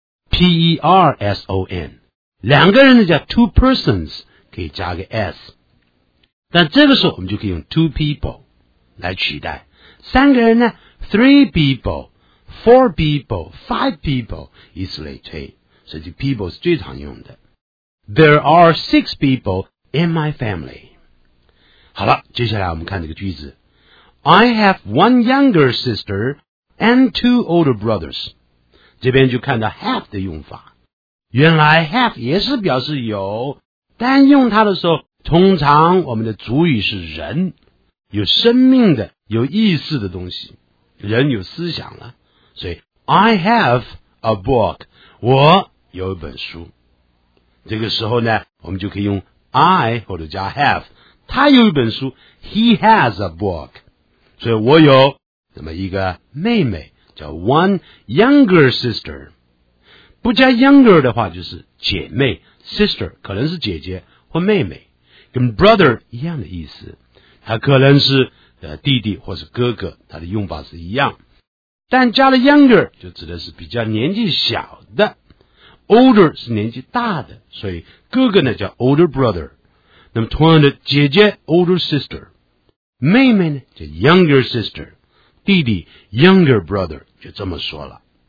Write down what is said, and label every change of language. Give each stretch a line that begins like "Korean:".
Chinese: P-E-R-S-O-N, 两个人呢叫
English: two persons,
Chinese: 可以加个 s, 但这个时候我们就可以用
English: two people
Chinese: 来取代，三个人呢
English: three people, four people, five people,
Chinese: 以此类推，所以 people 是最常用的。
English: There are six people in my family.
Chinese: 好了，接下来我们看这个句子。
English: I have one younger sister and two older brothers.
Chinese: 这边就看到 have 的用法。原来 have 也是表示有，但用它的时候，通常我们的主语是人，有生命的，有意识的东西，人有思想了。
English: 所以 I have a book.
Chinese: 我有一本书，这个时候呢，我们就可以用 I 或者加 have, 他有一本书
English: He has a book,
Chinese: 所以我有这么一个妹妹叫
English: one younger sister,
Chinese: 不加 younger 的话就是姐妹 sister, 可能是姐姐或妹妹，跟 brother 一样的意思，他可能是弟弟或是哥哥，他的用法是一样，但加了 younger 就指的是比较年纪小的，older 是年纪大的，所以哥哥呢叫
English: older brother,
Chinese: 那么同样的姐姐
English: older sister,
Chinese: 妹妹呢叫
English: younger sister,
Chinese: 弟弟
English: younger brother,
Chinese: 就这么说了。